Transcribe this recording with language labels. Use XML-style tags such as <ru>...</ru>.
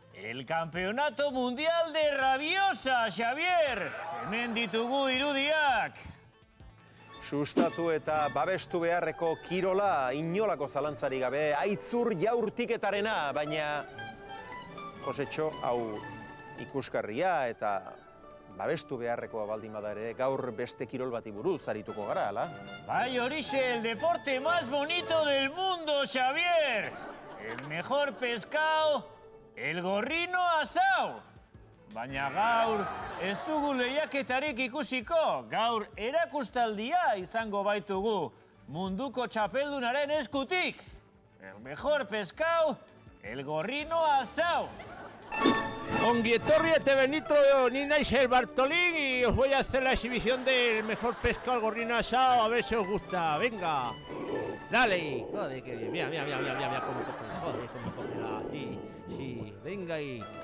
<es>El campeonato mundial de rabiosa, Xavier!</es> <eu>Hemen ditugu irudiak! Sustatu eta babestu beharreko kirola inolako zalantzari gabe, aitzur jaurtiketarena, baina... Josetxo, hau ikuskarria eta... Babestu beharrekoa baldin badare, gaur beste kirol bati buruz arituko gara, ala? Bai, horixe,</eu> <es>el deporte más bonito del mundo,</es> <eu>Xavier!</eu> <es>El mejor pescao, el gorrino asau!</es> <eu>Baina gaur, ez dugu lehiaketarik ikusiko, gaur erakustaldia izango baitugu munduko txapeldunaren eskutik!</eu> <es>El mejor pescao, el gorrino asau!</es> <eu>Ongi etorri ETV Nitro, ni naiz</eu> <es>el Bartolín y os voy a hacer la exhibición del mejor pescado al gorrino asado, a ver si os gusta, venga, dale. Joder, qué bien, mira, mira, mira, mira, mira, mira cómo coge, joder, cómo coge, sí, sí, venga ahí.</es>